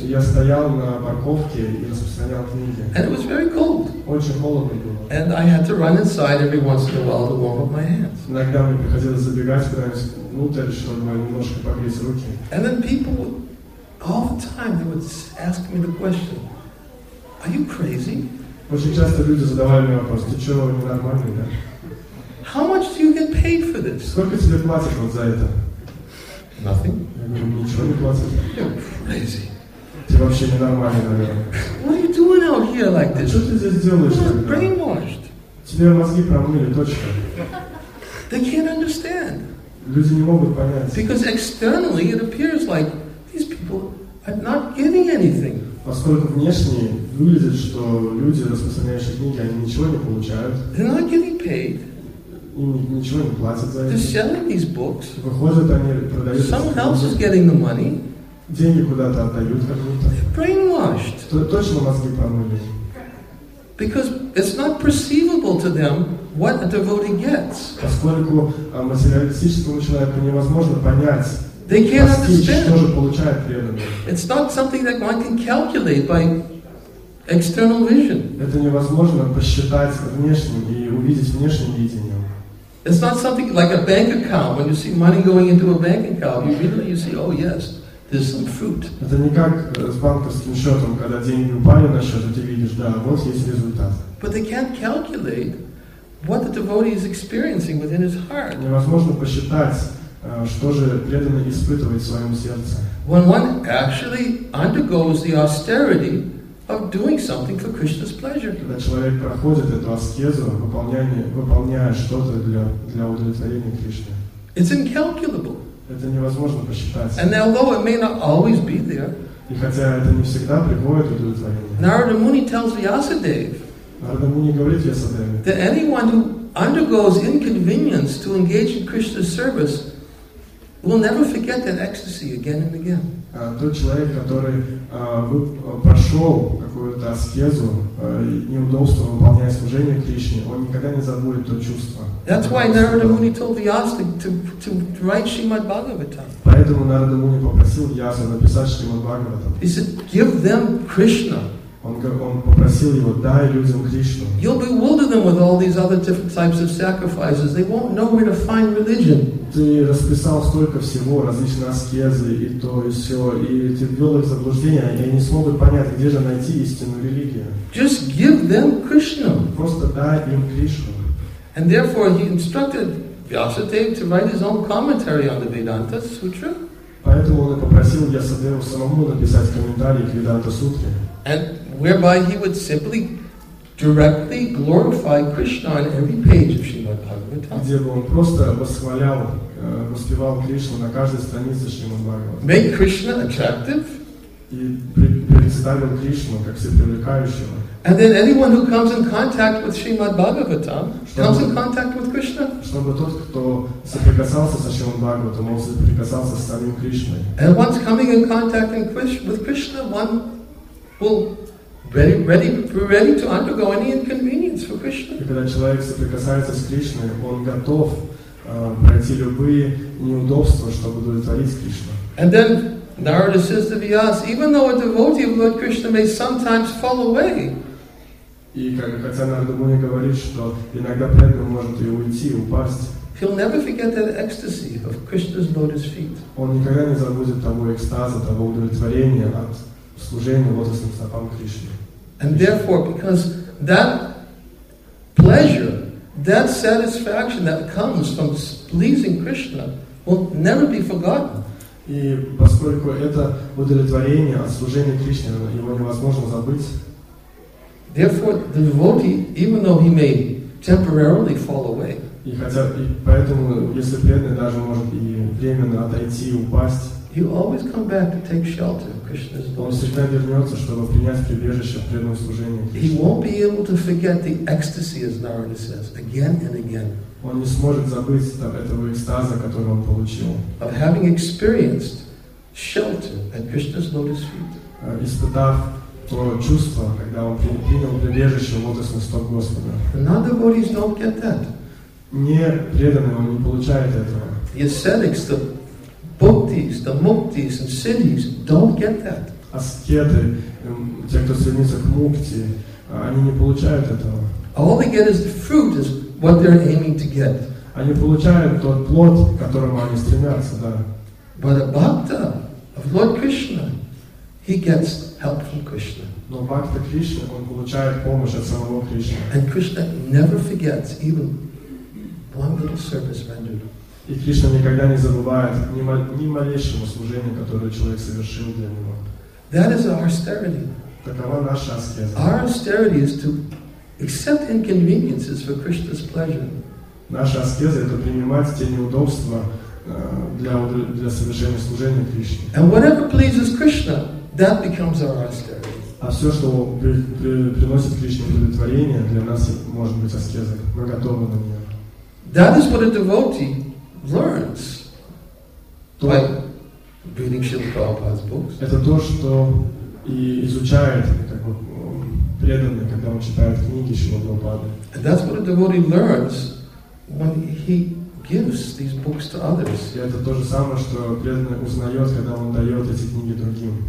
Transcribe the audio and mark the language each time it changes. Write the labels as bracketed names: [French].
[Russian] Я стоял на парковке и распространял книги. [English] And it was very cold. [Russian] Очень холодно было. [English] And I had to run inside every once in a while to warm up my hands. [Russian] Иногда мне приходилось забегать куда-нибудь внутрь, чтобы немножко погреть руки. [English] And then people would, all the time they would ask me the question, "Are you crazy?" [Russian] Очень часто люди задавали мне вопрос: "Ты что, ненормальный, да?" [English] How much do you get paid for this? [Russian] Сколько тебе платят вот за это? [English] Nothing. [Russian] Ничего не платят. [English] You're crazy. [Russian] Ты вообще ненормальный, наверное. [English] What are you doing out here like this? [Russian] А что ты здесь делаешь? [English] You're brainwashed. [Russian] Тебе мозги промыли, точно. [English] They can't understand. [Russian] Люди не могут понять. [English] Because externally it appears like these people are not getting anything. [Russian] Поскольку внешне выглядит, что люди, распространяющие книги, они ничего не получают. [English] They're not getting paid. [Russian] Им ничего не платят за это. [English] They're selling these books. [Russian] Выходят, они продают. [English] Someone else is getting the money. [Russian] Деньги куда-то отдают как будто. [English] Brainwashed. [Russian] Точно мозги промыли. [English] Because it's not perceivable to them what a devotee gets. [Russian] Поскольку материалистическому человеку невозможно понять. [English] They can't understand. [Russian] Что же получает преданный. [English] It's not something that one can calculate by external vision. [Russian] Это невозможно посчитать внешним и увидеть внешним видением. [English] It's not something like a bank account. When you see money going into a bank account, you really you see, oh yes, there's some fruit. [Russian] Это не как с банковским счетом, когда деньги упали на счет, и ты видишь, да, вот есть результат. [English] But they can't calculate what the devotee is experiencing within his heart. [Russian] Невозможно посчитать, что же преданный испытывает в своем сердце. [English] When one actually undergoes the austerity of doing something for Krishna's pleasure. [Russian] Когда человек проходит эту аскезу, выполняя что-то для удовлетворения Кришны. [English] It's incalculable. [Russian] Это невозможно посчитать. [English] And although it may not always be there. [Russian] И хотя это не всегда приводит к удовлетворению. [English] Narada Muni tells Vyasadeva. [Russian] Narada Muni говорит Vyasadeva. [English] That anyone who undergoes inconvenience to engage in Krishna's service will never forget that ecstasy again and again. [Russian] Тот человек, который прошел какую-то аскезу, неудобство выполняя служение Кришне, он никогда не забудет то чувство. [English] That's why Narada Muni told Vyas to write Srimad Bhagavatam. [Russian] Поэтому Нарада Муни попросил Вьяса написать Шримад Бхагаватам. [English] He said, give them Krishna. [Russian] Он попросил его, дай людям Кришну. [English] You'll bewilder them with all these other different types of sacrifices. They won't know where to find religion. [Russian] Ты расписал столько всего, различные аскезы и то, и все, и ты ввел их в заблуждение, и они не смогут понять, где же найти истинную религию. [English] Just give them Krishna. [Russian] Просто дай им Кришну. [English] And therefore he instructed Vyasadeva to write his own commentary on the Vedanta Sutra. [Russian] Поэтому он и попросил Vyasadeva самому написать комментарий к Vedanta Sutra. [English] And whereby he would simply directly glorify Krishna on every page of Srimad Bhagavatam. [Russian] Где бы он просто восхвалял, воспевал Кришну на каждой странице Шримад Бхагаватам. [English] Make Krishna attractive. [Russian] И представил Кришну как всепривлекающего. [English] And then anyone who comes in contact with Srimad Bhagavatam comes in contact with Krishna. [Russian] Чтобы тот, кто соприкасался со Шримад Бхагаватам, он соприкасался с самим Кришной. [English] And once coming in contact with Krishna, one will be ready to undergo any inconvenience for Krishna. [Russian] Когда человек соприкасается с Кришной, он готов пройти любые неудобства, чтобы удовлетворить Кришну. [English] And then Narada says to Vyas, even though a devotee of Lord Krishna may sometimes fall away. [Russian] И хотя Нарада Муни говорит, что иногда преданный может и уйти, и упасть. [English] He'll never forget that ecstasy of Krishna's lotus feet. [Russian] Он никогда не забудет того экстаза, того удовлетворения от служения лотосным стопам Кришны. [English] And therefore, because that pleasure, that satisfaction that comes from pleasing Krishna will never be forgotten. [Russian] И поскольку это удовлетворение от служения Кришне, его невозможно забыть. [English] Therefore, the devotee, even though he may temporarily fall away, he always comes back to take shelter of Krishna's devotee. He won't be able to forget the ecstasy, as Narada says, again and again. [Russian] Он не сможет забыть там, этого экстаза, который он получил. [English] Of having experienced shelter at Krishna's lotus feet. [Russian] Испытав то чувство, когда он принял прибежище в лотосных стоп Господа. [English] Non-devotees don't get that. [Russian] Не преданный, он не получает этого. [English] The ascetics, the bhaktis, the muktis and siddhis don't get that. [Russian] Аскеты, те, кто стремится к мукти, они не получают этого. [English] All they get is the fruit is what they're aiming to get. [Russian] Они получают тот плод, к которому они стремятся, да. [English] But a bhakta of Lord Krishna, he gets help from Krishna. [Russian] Но бхакта Кришна, он получает помощь от самого Кришны. [English] And Krishna never forgets even one little service rendered. [Russian] И Кришна никогда не забывает ни малейшего служения, которое человек совершил для него. [English] That is our austerity. [Russian] Такова наша аскеза. [English] Our austerity is to accept inconveniences for Krishna's pleasure. [Russian] Наша аскеза – это принимать те неудобства для совершения служения Кришне. [English] And whatever pleases Krishna, that becomes our austerity. [Russian] А все, что приносит Кришне удовлетворение, для нас может быть аскеза. Мы готовы на нее. [English] That is what a devotee learns by reading Srila Prabhupada's books. [Russian] Это то, что и изучает преданный, когда он читает книги Шрилы Прабхупады. [English] That's what a devotee learns when he gives these books to others. [Russian] И это то же самое, что преданный узнает, когда он дает эти книги другим.